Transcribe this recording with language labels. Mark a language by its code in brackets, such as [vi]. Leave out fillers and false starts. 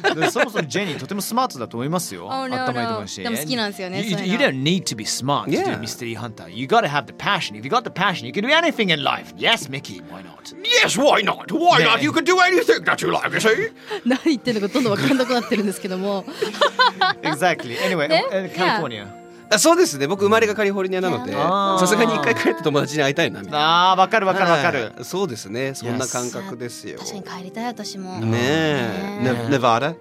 [ja] そもそもジェニーとてもスマートだと思いますよ。あったまりと思うし。でも好きなんですよね。 [en] You don't need to be smart to do mystery hunter. You gotta have the passion. If you got the passion, you can do anything in life. Yes, Mickey. Why not? Yes, why not? Why not? You can do anything that you like, you see? [ja] 何言ってるのかどんどん分かんなくなってるんですけども。 [en] Exactly. Anyway, California. [ja] そうですね、僕生まれがカリフォルニアなので、さすがに一回帰って友達に会いたいなみたいな。あー、分かる、はい、そうですね、そんな感覚ですよ。確かに帰りたい、私もね。え、ネバダ、